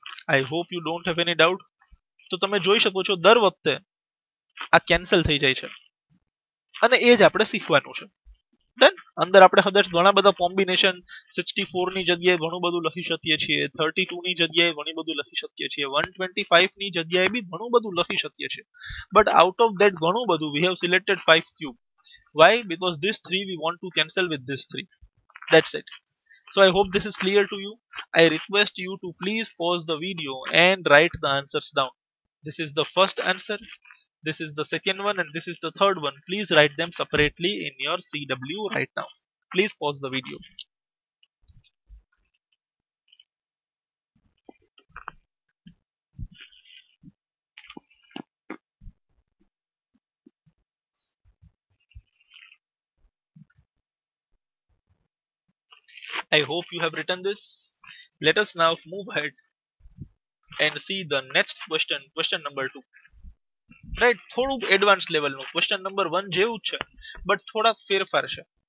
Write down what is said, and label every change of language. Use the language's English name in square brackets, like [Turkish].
[English] I hope you don't have any doubt [Gujarati] तो તમે જોઈ શકો છો દર વખતે આ કેન્સલ થઈ જાય છે અને એ જ આપણે શીખવાનું છે ડન અંદર આપણે હદસ ઘણા બધા કોમ્બિનેશન 64 ની જગ્યાએ ઘણું બધું લખી શકીએ છીએ 32 ની જગ્યાએ ઘણી બધું લખી શકીએ છીએ 125 ની જગ્યાએ બી ઘણું બધું લખી શકીએ છીએ [English] but out of that [Gujarati] ઘણું બધું [English] We have selected 5 cube y because this 3 we want to cancel with this 3 that's it So I hope this is clear to you. I request you to please pause the video and write the answers down. This is the first answer. This is the second one and this is the third one. Please write them separately in your CW right now. Please pause the video. I hope you have written this. Let us now move ahead and see the next question, question number 2. [Gujarati] Right, થોડું advanced લેવલનું question number 1 જેવું જ છે but થોડાક ફેરફાર છે.